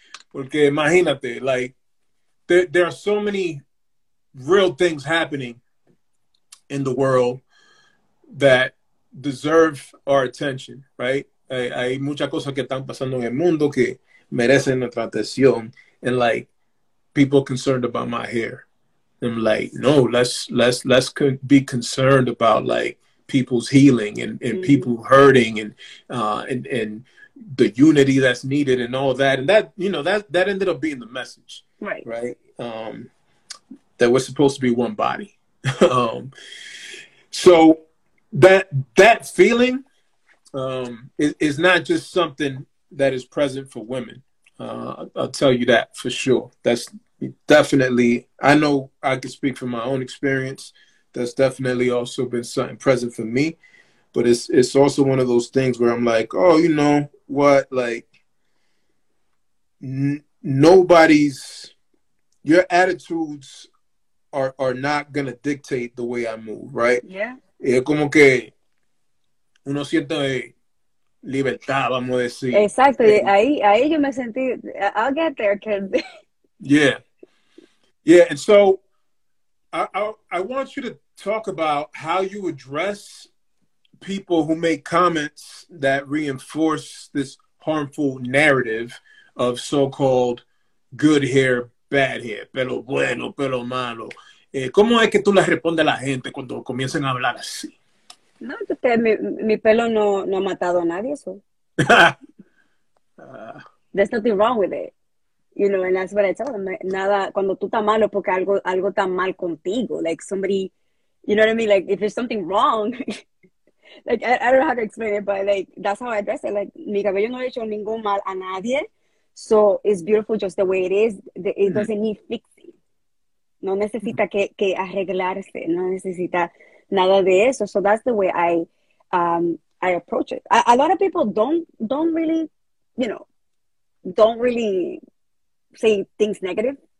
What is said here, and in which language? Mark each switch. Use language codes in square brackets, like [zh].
[es] Porque imagínate, [en] like, there are so many real things happening in the world that deserve our attention, right? [es] Hay muchas cosas que están pasando en el mundo que merecen nuestra atención. [en] And like, people concerned about my hair. I'm like, no, let's con be concerned about like people's healing and people hurting and the unity that's needed and all that. And that, you know, that ended up being the message, right? That we're supposed to be one body. So that feeling is not just something that is present for women. I'll tell you that for sure. That's definitely, I know I can speak from my own experience. That's definitely also been something present for me, but it's also one of those things where I'm like, oh, you know what? Like, nobody's, your attitudes are not gonna dictate the way I move, right? [es] Es como que uno siente libertad, vamos a decir. Exacto, ahí yo me sentí, [en] I'll get there, kid. Yeah, and so I want you to talk about how you address people who make comments that reinforce this harmful narrative of so-called good hair, bad hair, [es] pelo bueno, pelo malo. ¿Cómo es que tú le respondes a la gente cuando comienzan a hablar así? No, usted, mi pelo no ha matado a nadie, eso. [en] There's nothing wrong with it. You know, and that's what I tell them. [es] Nada, cuando tú estás malo, porque algo está mal contigo. [en] Like somebody, you know what I mean? Like if there's something wrong, like I don't know how to explain it, but like that's how I address it. [es] Like mi cabello no ha hecho ningún mal a nadie. [en] So it's beautiful just the way it is. It doesn't need fixing. [es] No necesita que arreglarse. No necesita nada de eso. [en] So that's the way I approach it. A lot of people don't really, you know, don't really say things negative.